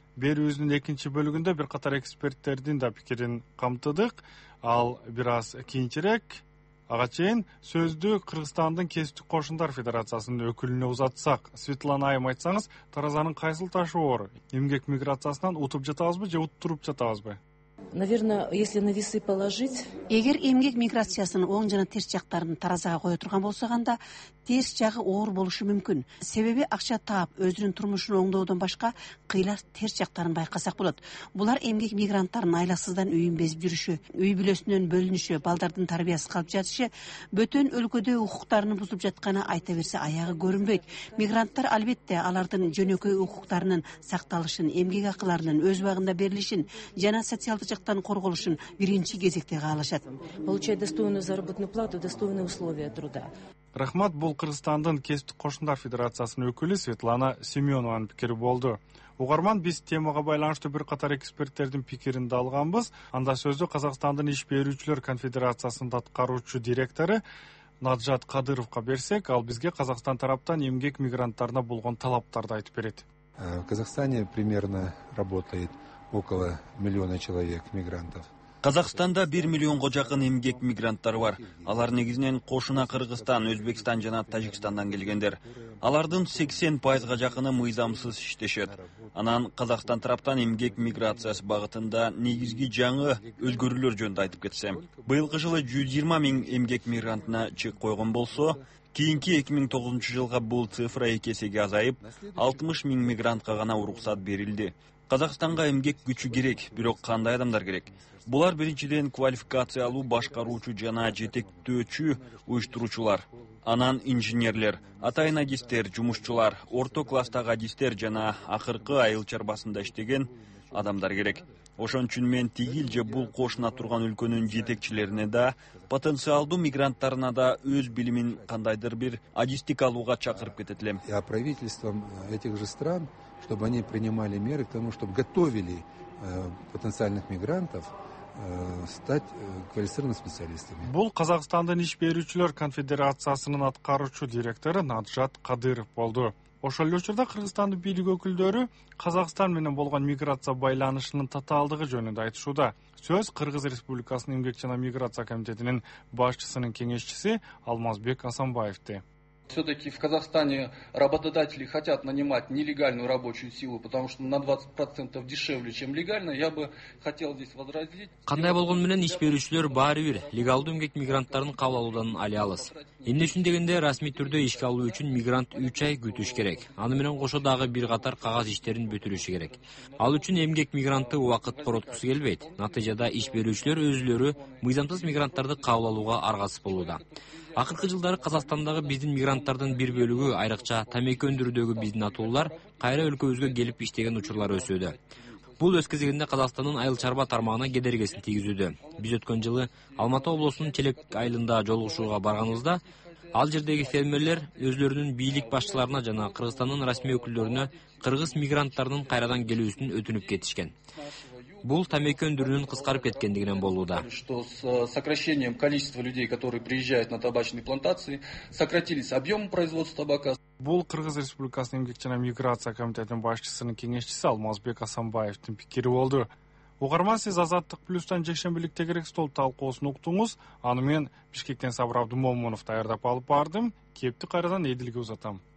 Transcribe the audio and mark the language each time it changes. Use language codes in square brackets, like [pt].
[ky] Берүүбүздүн экинчи бөлүгүндө бир катар эксперттердин да пикирин камтыдык. Ал бир аз кийинчерээк. Ага чейин сөздү Кыргызстандын кесиптик кошундар федерациясынын өкүлүнө узатсак, Светлана айым, айтсаңыз, таразанын кайсыл ташы оор? Эмгек миграциясынан утуп жатабызбы же уттуруп жатабызбы? [ru] Наверное, если на весы положить. [ky] Эгер эмгек миграциясынын оң жана терс жактарын таразага кое турган болсок, анда терс жагы оор болушу мүмкүн. Себеби акча таап, өзүнүн турмушун оңдоодон башка кыйлар терс жактарын байкасак болот. Булар эмгек мигранттарынын айласыздан үйүн безип жүрүшү, үй бүлөсүнөн бөлүнүшү, балдардын тарбиясыз калып жатышы, бөтөн өлкөдө укуктарын бузуп жатканы айта берсе аягы көрүнбөйт. Мигранттар албетте алардын жөнөкөй укуктарынын сакталышын, эмгек акыларынын өз убагында берилишин жана социал жактан корголушун биринчи кезекте каалашат. [ru] Получать достойную заработную плату, достойные условия труда. [ky] Рахмат, бул Кыргызстандын кесиптик кошундар федерациясынын өкүлү Светлана Семёнованын пикири болду. Угарман, биз темага байланыштуу бир катар эксперттердин пикирин да алганбыз. Анда сөздү Казакстандын иш берүүчүлөр конфедерациясынын аткаруучу директору Наджат Кадыровко берсек, ал бизге Казакстан тараптан эмгек мигранттарына болгон талаптарды айтып берет. [ru] В Казахстане примерно работает около 1 миллиона человек мигрантов. [ky] Казакстанда 1 миллионго жакын эмгек мигранттары бар. Алар негизинен кошуна Кыргызстан, Өзбекстан жана Тажикстандан келгендер. Алардын 80%га жакыны мыйзамсыз иштешет. Анан Казакстан тараптан эмгек миграциясы багытында негизги жаңы өзгөрүүлөр жөнүндө айтып кетсем. Быйылкы жылы 120 000 эмгек мигрантына чек койгон болсо, кийинки 2009 жылга бул цифра 2 эсеге азайып, 60 000 мигрантка гана уруксат берилди. Казакстанга эмгек күчү керек, бирок кандай адамдар керек? Булар биринчиден квалификациялуу башкаруучу жана жетектөөчү уюштуруучулар, анан инженерлер, атайын адистер, жумушчулар, орто класстагы адистер жана акыркы айыл чарбасында иштеген адамдар керек. Ошон үчүн мен тигил же бул кошуна турган өлкөнүн жетекчилерине да, потенциалдуу мигранттарына да өз билимин кандайдыр бир агистик алууга чакырып кетет элем. [ru] Я правительством этих же стран, чтобы они принимали меры к тому, чтобы готовили потенциальных мигрантов стать квалифицированными специалистами. [ky] Бул Казакстандын иш берүүчүлөр конфедерациясынын аткаруучу директору Наджат Кадыров болду. Ошол эле учурда Кыргызстандын бийлик өкүлдөрү Казакстан менен болгон миграция байланышынын татаалдыгы жөнүндө айтышууда. Сөз Кыргыз Республикасынын эмгек жана миграция комитетинин башчысынын кеңешчиси Алмазбек Асанбаевди. [ru] Все-таки в Казахстане работодатели хотят нанимать нелегальную рабочую силу, потому что на 20% дешевле, чем легально. Я бы хотел здесь возразить. [ky] Кандай болгон менен иш берүүчүлөр баары бир легалдуу эмгек мигранттарын кабыл алуудан али алыс. Эмне үчүн дегенде, расмий түрдө ишке алуу үчүн мигрант 3 ай күтүш керек. Аны менен кошо дагы бир катар кагаз иштерин бүтүрүшү керек. Ал үчүн эмгек мигрантты убакыт короткусу келбейт. Натыйжада иш берүүчүлөр өзүлөрү мыйзамсыз мигранттарды кабыл алууга аргасып болууда. Акыркы жылдары Казакстандагы биздин мигранттардын бир бөлүгү, айрыкча тамеки өндүрүүдөгү биздин атуулар кайра өлкөбүзгө келип иштеген учурлар өсүүдө. Бул өз кезегинде Казакстандын айыл чарба тармагына кедергесин тийгизүүдө. Биз өткөн жылы Алматы облусунун Челек айылында жолугушууга барганыбызда ал жердеги фермерлер өзлөрүнүн бийлик башчыларына жана Кыргызстандын расмий өкүлдөрүнө кыргыз мигранттарынын кайрадан келүүсүн өтүнүп кетишкен. Бул тамеки өндүрүүнүн кыскарып кеткендигинен болууда. [ru] Что с сокращением количества людей, которые приезжают на табачные плантации, сократились объемы производства табака. [ky] Бул Кыргыз Республикасынын эмгек жана миграция комитетинин башчысынын кеңешчиси Алмазбек Асанбаевдин пикири болду. Угарман, сиз Азаттык Плюстан жекшембиликте керек стол талкуусун уктуңуз. Аны мен Бишкектен Сабыр Абдымомунов даярдап алып бардым. Кепти кайрадан Эдилге узатам.